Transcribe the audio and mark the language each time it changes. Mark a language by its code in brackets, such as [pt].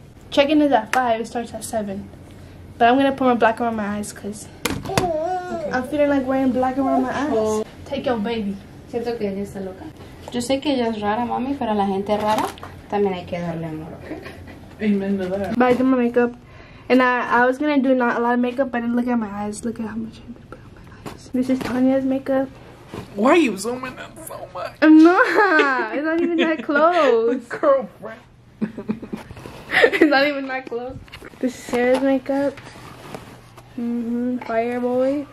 [en] Check-in is at 5, it starts at 7. But I'm gonna put my black around my eyes because okay. I'm feeling like wearing black around my eyes. Oh. Take your baby. [es] Siento que ella está loca. Yo sé que ella es rara, mami, pero a la gente rara también hay que darle amor. [en] Amen to that. But I did my makeup. And I was gonna do not a lot of makeup, but I didn't look at my eyes. Look at how much I did put on my eyes. This is Tanya's makeup. Why are you zooming in so much? I'm not. It's not even that close. The girlfriend. It's not even that close. This is Sarah's makeup. Fireboy.